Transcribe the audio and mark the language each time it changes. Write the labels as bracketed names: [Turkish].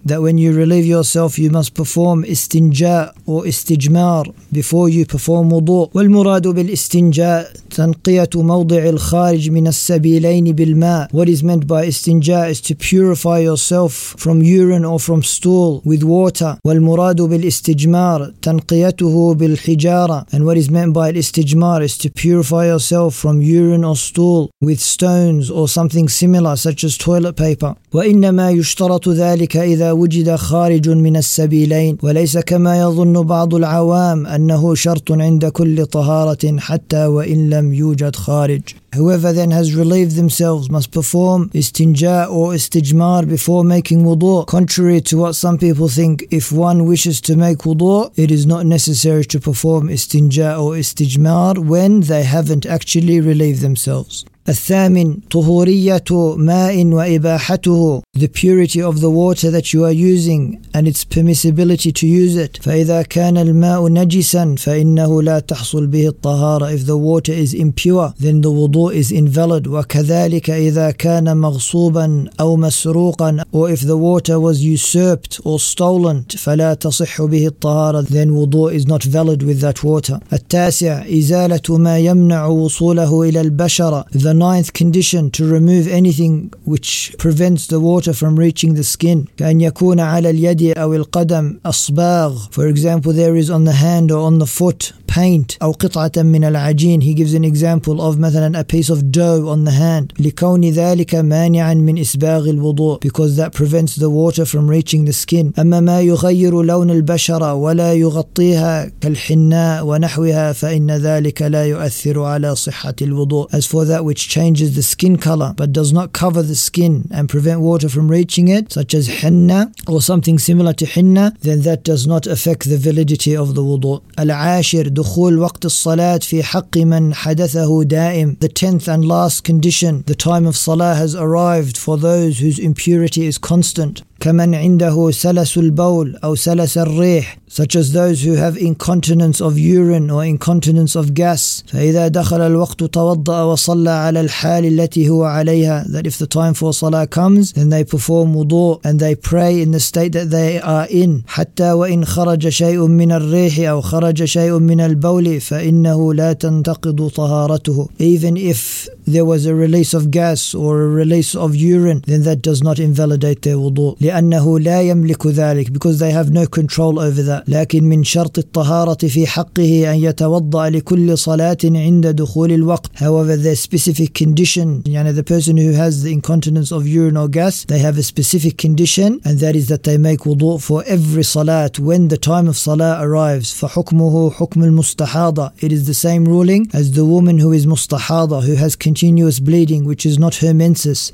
[English] That when you relieve yourself you must perform استنجاء or استجمار before you perform wudu. [Arabic] والمراد بالاستنجاء تنقية موضع الخارج من السبيلين بالماء. [English] What is meant by استنجاء is to purify yourself from urine or from stool with water. [Arabic] والمراد بالاستجمار تنقيته بالحجارة. [English] And what is meant by الاستجمار is to purify yourself from urine or stool with stones or something similar such as toilet paper. [Arabic] وإنما يشترط ذلك إذا وجد خارج من السبيلين. وليس كما يظن بعض العوام أنه شرط عند كل طهارة حتى وإن لم يوجد خارج. [English] Whoever then has relieved themselves must perform istinja or istijmar before making wudu. Contrary to what some people think, if one wishes to make wudu, it is not necessary to perform istinja or istijmar when they haven't actually relieved themselves. [Arabic] الثامن طهورية ماء وإباحته, [English] the purity of the water that you are using and its permissibility to use it. [Arabic] فإذا كان الماء نجسا فإنه لا تحصل به الطهارة. [English] If the water is impure, then the wudu is invalid. [Arabic] وكذلك إذا كان مغصوبا أو مسروقا, [English] or if the water was usurped or stolen, [Arabic] فلا تصح به الطهارة, [English] then wudu is not valid with that water. [Arabic] التاسع إزالة ما يمنع وصوله إلى البشرة. [English] The ninth condition, to remove anything which prevents the water from reaching the skin. [Arabic] كأن يكون على اليد أو القدم أصباغ. [English] For example, there is on the hand or on the foot paint. [Arabic] أو قطعة من العجين. [English] He gives an example of مثلا a piece of dough on the hand. [Arabic] لكون ذلك مانعا من إسباغ الوضوء. [English] Because that prevents the water from reaching the skin. [Arabic] أما ما يغير لون البشرة ولا يغطيها كالحناء ونحوها فإن ذلك لا يؤثر على صحة الوضوء. [English] As for that which changes the skin color but does not cover the skin and prevent water from reaching it, such as henna or something similar to henna, then that does not affect the validity of the wudu. [Arabic] العاشر دخول وقت الصلاة في حق من حدثه دائم. [English] The tenth and last condition, the time of salah has arrived for those whose impurity is constant. [Arabic] كمن عنده سلس البول أو سلس الريح, [English] such as those who have incontinence of urine or incontinence of gas. [Arabic] فإذا دخل الوقت توضأ وصلى على الحال التي هو عليها, [English] that if the time for salah comes, then they perform wudu and they pray in the state that they are in. [Arabic] حتى وإن خرج شيء من الريح أو خرج شيء من البول فإنه لا تنتقض طهارته. [English] Even if there was a release of gas or a release of urine, then that does not invalidate their wudu. [Arabic] لأنه لا يملك ذلك, [English] because they have no control over that. [Arabic] لكن من شرط الطهارة في حقه أن يتوضأ لكل صلاة عند دخول الوقت. [English] However, the specific condition, يعني the person who has the incontinence of urine or gas, they have a specific condition, and that is that they make wudu for every salat when the time of salah arrives. [Arabic] فحكمه حكم المستحاضة. [English] It is the same ruling as the woman who is مستحاضة, who has continuous bleeding, which is not her menses.